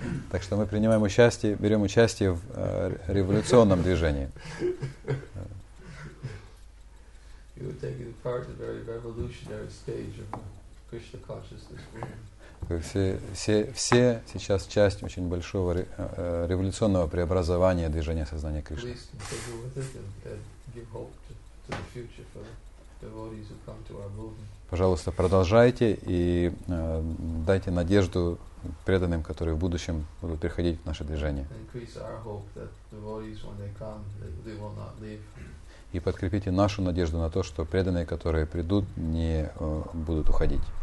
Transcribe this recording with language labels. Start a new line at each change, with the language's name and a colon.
Russian: Так что мы принимаем участие, берем участие в революционном движении.
English: You were taking part in a very revolutionary stage of Krishna consciousness.
Russian: Все сейчас часть очень большого революционного преобразования движения сознания Кришны.
English: Please continue with it and give hope to the future for the devotees who come to our movement.
Russian: Пожалуйста, продолжайте и дайте надежду преданным, которые в будущем будут приходить в наше движение.
English: Increase our hope that devotees, when they come, they will not leave.
Russian: И подкрепите нашу надежду на то, что преданные, которые придут, не будут уходить.